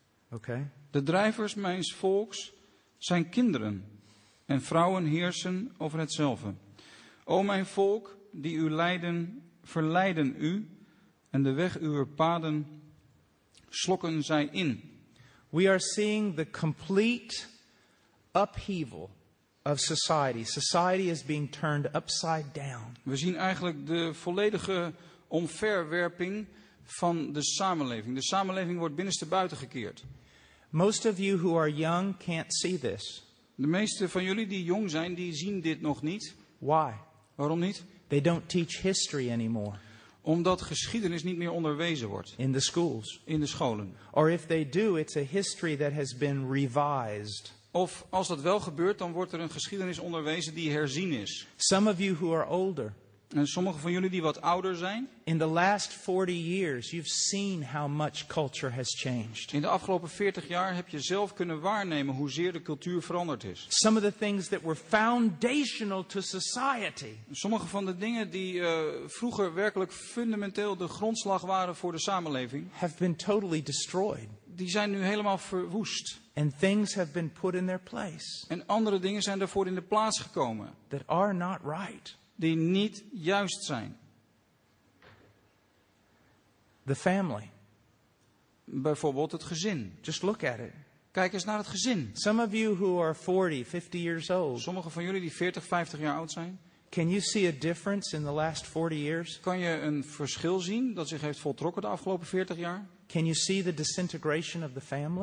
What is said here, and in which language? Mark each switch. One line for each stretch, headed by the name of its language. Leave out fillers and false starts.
Dutch: Okay. De drijvers mijns volks zijn kinderen en vrouwen heersen over hetzelfde. O mijn volk, die u leiden, verleiden u en de weg uw paden slokken zij in.
English: We are seeing the complete upheaval. Of society. Society is being turned upside down.
Dutch: We zien eigenlijk de volledige omverwerping van de samenleving. De samenleving wordt binnenste buiten gekeerd.
English: Most of you who are young can't see this.
Dutch: De meeste van jullie die jong zijn, die zien dit nog niet.
English: Why?
Dutch: Waarom niet?
English: They don't teach history anymore.
Dutch: Omdat geschiedenis niet meer onderwezen wordt.
English: In the schools.
Dutch: In de scholen.
English: Or if they do, it's a history that has been revised.
Dutch: Of als dat wel gebeurt, dan wordt er een geschiedenis onderwezen die herzien is.
English: Some of you who are older.
Dutch: En sommige van jullie die wat ouder zijn.
English: In the last 40 years, you've seen how much culture has changed.
Dutch: In de afgelopen 40 jaar heb je zelf kunnen waarnemen hoezeer de cultuur veranderd is.
English: Some of the things that were foundational to society.
Dutch: Sommige van de dingen die vroeger werkelijk fundamenteel de grondslag waren voor de samenleving.
English: Have been totally destroyed.
Dutch: Die zijn nu helemaal verwoest.
English: And things have been put in their place.
Dutch: En andere dingen zijn daarvoor in de plaats gekomen.
English: That are not right.
Dutch: Die niet juist zijn.
English: The family.
Dutch: Bijvoorbeeld het gezin.
English: Just look at it.
Dutch: Kijk eens naar het gezin.
English: Some of you who are 40, 50 years old.
Dutch: Sommige van jullie die 40, 50 jaar oud zijn.
English: Can you see a difference in the last 40 years?
Dutch: Kan je een verschil zien dat zich heeft voltrokken de afgelopen 40 jaar?
English: Can you see the disintegration of the family?